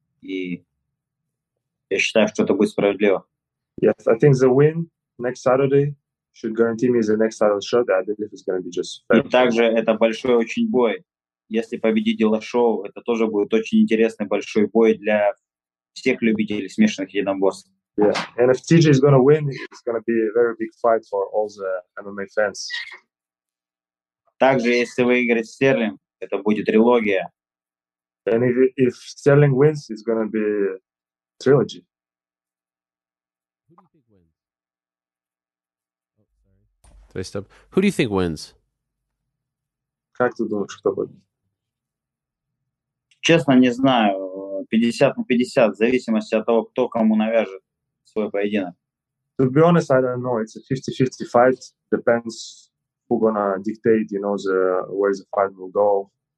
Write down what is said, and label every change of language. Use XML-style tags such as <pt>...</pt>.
<ru>И я считаю, что это будет справедливо.</ru> <en>Yes, I think the win next Saturday should guarantee me the next title shot. I believe it's going to be just fair.</en> <ru>И также это большой очень бой. Если победить Дилашоу, это тоже будет очень интересный большой бой для всех любителей смешанных единоборств.</ru> <en>Yeah, and if TJ is going to win, it's going to be a very big fight for all the MMA fans.</en> <ru>Также, если выиграет Стерлинг, это будет трилогия.</ru> <en>And if Sterling wins, it's going to be a trilogy. Who do you think wins? Oh, sorry. Did I stop? Who do you think wins?</en> <ru>Как ты думаешь, кто будет? Честно, не знаю. 50-50, в зависимости от того, кто кому навяжет свой поединок.</ru> <en>To be honest, I don't know. It's a 50-50 fight. Depends who gonna dictate, you know, where the fight will go.</en>